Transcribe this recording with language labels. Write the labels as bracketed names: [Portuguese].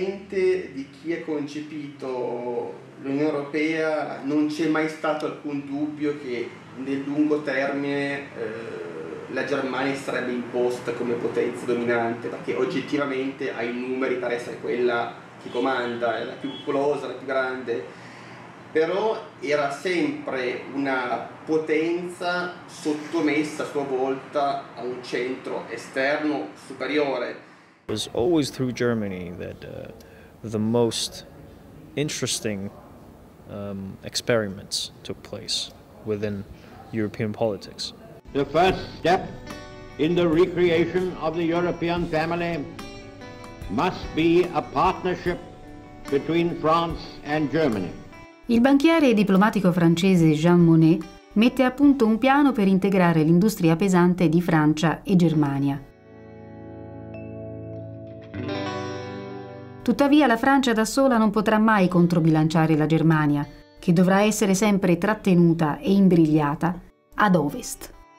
[Italian] Di chi ha concepito l'Unione Europea non c'è mai stato alcun dubbio che nel lungo termine la Germania sarebbe imposta come potenza dominante, perché oggettivamente ha i numeri per essere quella che comanda, è la più popolosa, la più grande, però era sempre una potenza sottomessa a sua volta a un centro esterno superiore. [English] It was always through Germany that the most interesting experiments took place within European politics. The first step in the recreation of the European family must be a partnership between France and Germany. [Italian] Il banchiere e diplomatico francese Jean Monnet mette a punto un piano per integrare l'industria pesante di Francia e Germania. Tuttavia la Francia da sola non potrà mai controbilanciare la Germania, che dovrà essere sempre trattenuta e imbrigliata ad ovest.